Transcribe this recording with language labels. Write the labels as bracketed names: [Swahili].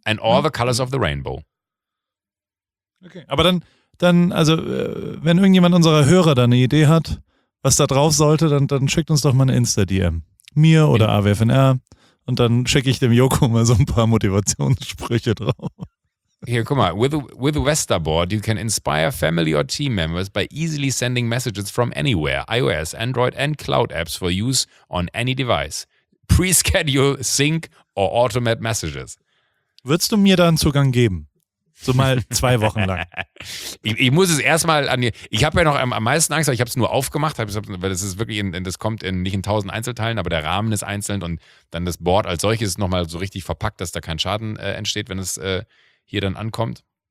[English] And all the colors of the rainbow. Okay. [German] Aber dann, also, wenn irgendjemand unserer Hörer da eine Idee hat, was da drauf sollte, dann schickt uns doch mal eine Insta-DM. Mir oder AWFNR. Und dann schicke ich dem Joko mal so ein paar Motivationssprüche drauf. Hier, guck mal, [English] with Westerboard, you can inspire family or team members by easily sending messages from anywhere, iOS, Android and cloud apps for use on any device. Pre-schedule, sync or automate messages. [German] Würdest du mir da einen Zugang geben? so mal 2 Wochen lang. Ich muss es erstmal an die. Ich habe ja noch am meisten Angst, weil ich habe es nur aufgemacht, weil das ist wirklich, das kommt in nicht in 1000 Einzelteilen, aber der Rahmen ist einzeln und dann das Board als solches ist nochmal so richtig verpackt, dass da kein Schaden entsteht, wenn es hier dann ankommt.